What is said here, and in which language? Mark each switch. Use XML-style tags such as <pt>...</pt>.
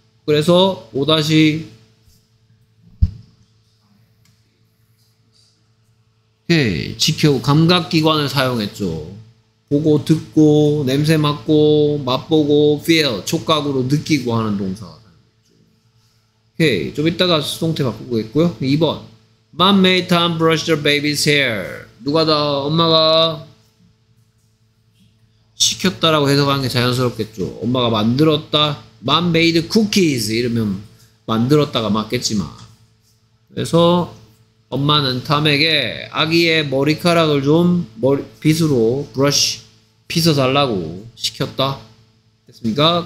<ko>그래서 5-3 지켜 감각기관을 사용했죠. 보고 듣고 냄새 맡고 맛보고 feel 촉각으로 느끼고 하는 동사. 좀 이따가 수동태 바꾸겠고요.</ko> <en>2번 Mom made Tom brush the baby's hair.</en> <ko>누가 다 엄마가 시켰다라고 해석하는 게 자연스럽겠죠. 엄마가 만들었다.</ko> <en>Mom made cookies.</en> <ko>이러면 만들었다가 맞겠지만. 그래서 엄마는 탐에게 아기의 머리카락을 좀 빗으로 brush 빗어 달라고 시켰다. 됐습니까?</ko>